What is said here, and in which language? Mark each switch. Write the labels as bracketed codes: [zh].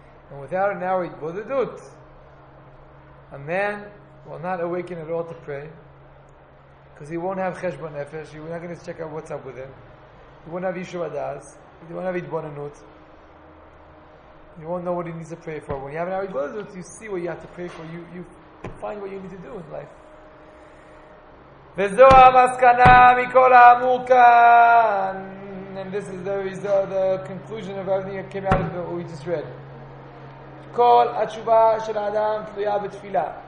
[en] And without an hour hidbodedut, a man will not awaken at all to pray, because he won't have cheshbon nefesh. He's not going to check out what's up with him. He won't have yishuv hadas. He won't have hidbodenut. He won't know what he needs to pray for. When you have an hour hidbodedut, you see what you have to pray for. You find what you need to do in life. [he] וזו המסקנה מכל האמור כאן. [en] And this is the conclusion of everything that came out of what we just read. [he] כל התשובה של האדם תלויה בתפילה.